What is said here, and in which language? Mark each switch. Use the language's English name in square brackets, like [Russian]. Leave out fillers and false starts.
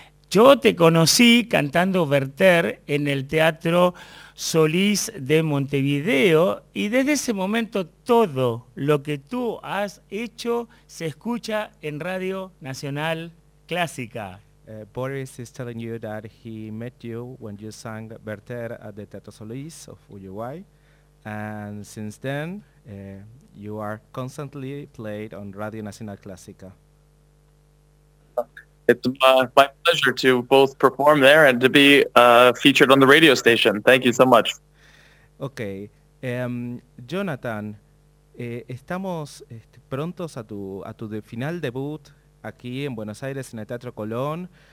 [Spanish] Yo te conocí cantando Werther en el Teatro Solís de Montevideo y desde ese momento todo lo que tú has hecho se escucha en Radio Nacional Clásica. [English] Boris is telling you that he met you when you sang Werther at the Teatro Solís of Uruguay, and since then you are constantly played on Radio Nacional Clásica. It's my pleasure to both perform there and to be featured on the radio station. Thank you so much. Okay. [Spanish] Jonathan, estamos prontos a tu de final debut aquí en Buenos Aires, en el Teatro Colón.